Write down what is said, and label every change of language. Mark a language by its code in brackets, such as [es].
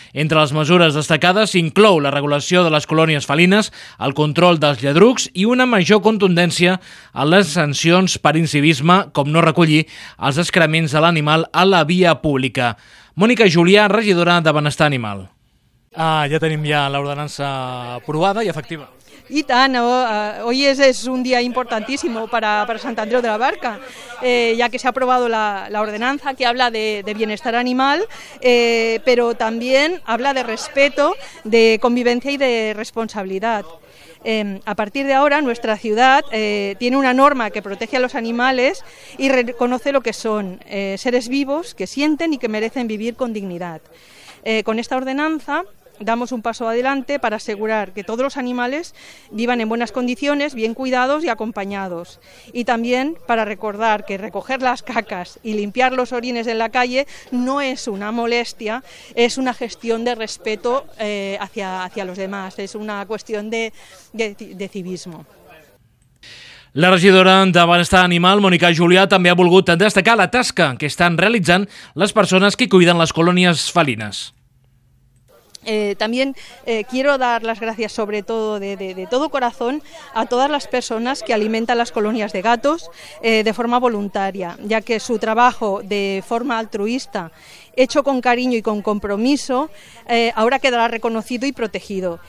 [ca] Entre les mesures destacades inclou la regulació de les colònies felines, el control dels lladrucs i una major contundència en les sancions per incivisme, com no recollir els excrements de l'animal a la via pública. Mònica Julià, regidora de Benestar Animal. Ja tenim ja l'ordenança aprovada i efectiva. I tant, [es] hoy es un día importantísimo para Sant Andreu de la Barca, ya que se ha aprobado la ordenanza que habla de bienestar animal, pero también habla de respeto, de convivencia y de responsabilidad. A partir de ahora, nuestra ciudad tiene una norma que protege a los animales y reconoce lo que son, seres vivos que sienten y que merecen vivir con dignidad. Con esta ordenanza damos un paso adelante para asegurar que todos los animales vivan en buenas condiciones, bien cuidados y acompañados. Y también para recordar que recoger las cacas y limpiar los orines en la calle no es una molestia, es una gestión de respeto hacia los demás, es una cuestión de civismo. [ca] La regidora de Benestar Animal, Mònica Julià, també ha volgut destacar la tasca que estan realitzant les persones que cuiden les colònies felines. [es] También quiero dar las gracias sobre todo de todo corazón a todas las personas que alimentan las colonias de gatos de forma voluntaria, ya que su trabajo de forma altruista, hecho con cariño y con compromiso, ahora quedará reconocido y protegido.